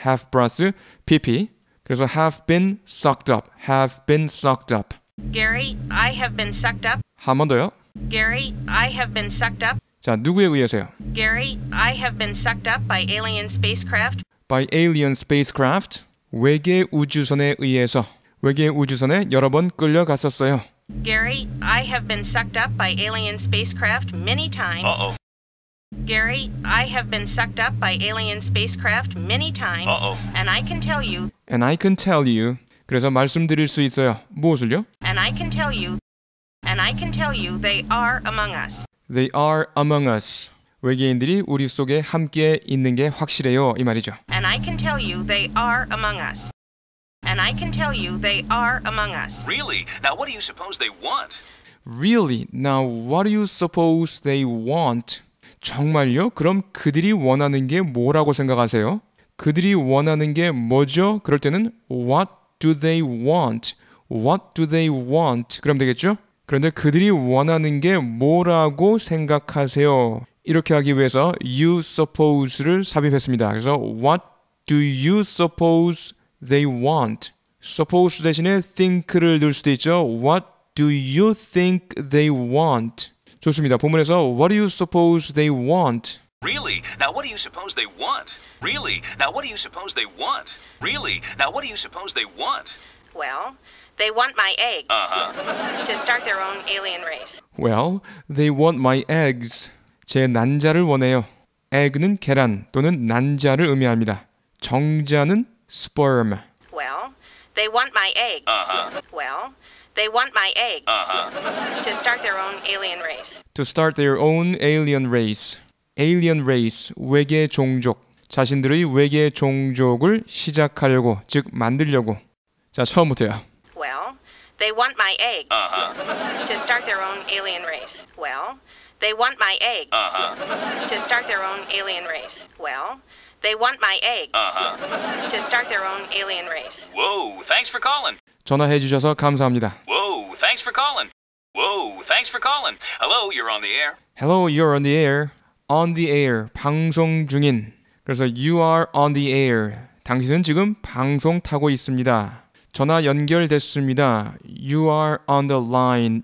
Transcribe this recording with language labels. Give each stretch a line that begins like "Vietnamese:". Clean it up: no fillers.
English: have plus pp. 그래서 have been sucked up. have been sucked up. Gary, I have been sucked up.
Korean: 한 번 더요.
English: Gary, I have been sucked up.
Korean: 자, 누구에 의해서요?
English: Gary, I have been sucked up by alien spacecraft. by alien spacecraft.
Korean: 외계 우주선에 의해서. 외계 우주선에 여러 번 끌려갔었어요.
English: Gary, I have been sucked up by alien spacecraft many times. Gary, I have been sucked up by alien spacecraft many times. And I can tell you. And I can tell you.
Korean: 그래서 말씀드릴 수 있어요. 무엇을요?
English: And I can tell you. And I can tell you they are among us. They are among us.
Korean: 외계인들이 우리 속에 함께 있는 게 확실해요. 이 말이죠.
English: And I can tell you they are among us. And I can tell you they are among us. Really? Now what do you suppose they want? Really? Now what do you suppose they want?
Korean: 정말요? 그럼 그들이 원하는 게 뭐라고 생각하세요? 그들이 원하는 게 뭐죠? 그럴 때는
English: What do they want? What do they want?
Korean: 그럼 되겠죠? 그런데 그들이 원하는 게 뭐라고 생각하세요? 이렇게 하기 위해서 you suppose를 삽입했습니다.
English: 그래서 What do you suppose they want? Suppose 대신에 think를 넣을 수도 있죠. What do you think they want? 좋습니다. 본문에서 What do you suppose they want? Really? Now what do you suppose they want? Really? Now what do you suppose they want? Really? Now what do you suppose they want? Well, they want my eggs to start their own alien race. Well, they want my eggs.
Korean: 제 난자를 원해요. Egg는 계란 또는 난자를 의미합니다. 정자는 sperm.
English: Well, they want my eggs. Well, they want my eggs to start their own alien race. To start their own alien race. Alien race,
Korean: 외계 종족. 자신들의 외계 종족을 시작하려고, 즉 만들려고. 자, 처음부터요.
English: Well, they want my eggs to start their own alien race. Well, they want my eggs to start their own alien race. Well, they want my eggs to start their own alien race. Whoa, thanks for calling.
Korean: 전화해 주셔서 감사합니다.
English: Whoa, thanks for calling. Whoa, thanks for calling. Hello, you're on the air. Hello, you're on the air. On the air,
Korean: 방송 중인.
English: 그래서 you are on the air.
Korean: 당신은 지금 방송 타고 있습니다. 전화 연결됐습니다.
English: You are on the line.